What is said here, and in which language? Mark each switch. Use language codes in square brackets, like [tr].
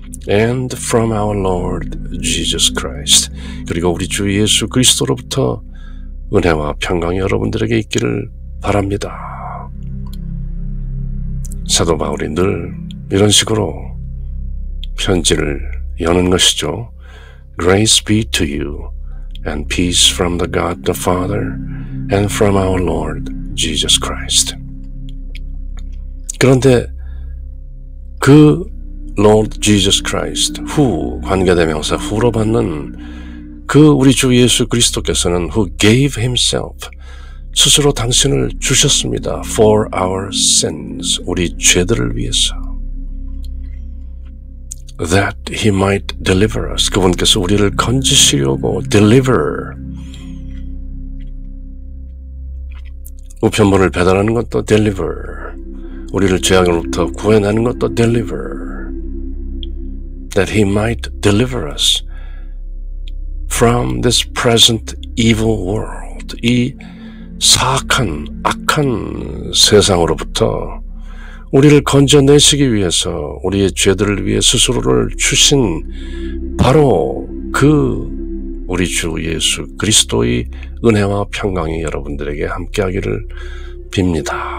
[en] And from our Lord Jesus Christ. [ko] 그리고 우리 주 예수 그리스도로부터 은혜와 평강이 여러분들에게 있기를 바랍니다. 사도 바울이 늘 이런 식으로 편지를 여는 것이죠. [en] Grace be to you and peace from the God the Father and from our Lord Jesus Christ. [ko] 그런데 그 Lord Jesus Christ, who 관계대명사 who로 받는 그 우리 주 예수 그리스도께서는 [en] who gave himself, [ko] 스스로 당신을 주셨습니다. [en] For our sins, [ko] 우리 죄들을 위해서. [en] That he might deliver us, [ko] 그분께서 우리를 건지시려고 [en] deliver. [ko] 우편물을 배달하는 것도 deliver. 우리를 죄악으로부터 구해내는 것도 deliver. [en] That he might deliver us from this present evil world. [ko] 이 사악한, 악한 세상으로부터 우리를 건져내시기 위해서 우리의 죄들을 위해 스스로를 주신 바로 그 우리 주 예수 그리스도의 은혜와 평강이 여러분들에게 함께하기를 빕니다.